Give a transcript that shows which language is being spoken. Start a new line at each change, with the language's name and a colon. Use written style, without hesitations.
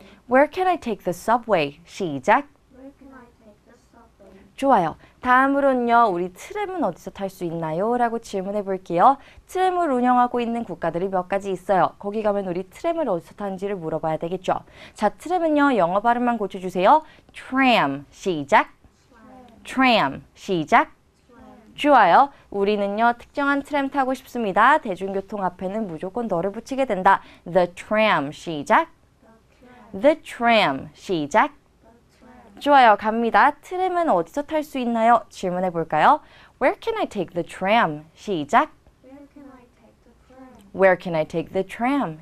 English: Where can I take the subway?
Korean: 시작.
English: Where can I take the subway?
Korean: 좋아요. 다음으로는요. 우리 트램은 어디서 탈 수 있나요? 라고 질문해 볼게요. 트램을 운영하고 있는 국가들이 몇 가지 있어요. 거기 가면 우리 트램을 어디서 타는지를 물어봐야 되겠죠. 자, 트램은요. 영어 발음만 고쳐주세요.
English: Tram. 시작. Tram.
Korean: 시작. 좋아요. 우리는요, 특정한 트램 타고 싶습니다. 대중교통 앞에는 무조건 너를 붙이게 된다.
English: The tram, 시작. The tram, the tram 시작. The tram.
Korean: 좋아요. 갑니다. 트램은 어디서 탈 수 있나요? 질문해 볼까요?
English: Where can I take the tram?
Korean: 시작.
English: Where can I take the tram? Where can I take the tram?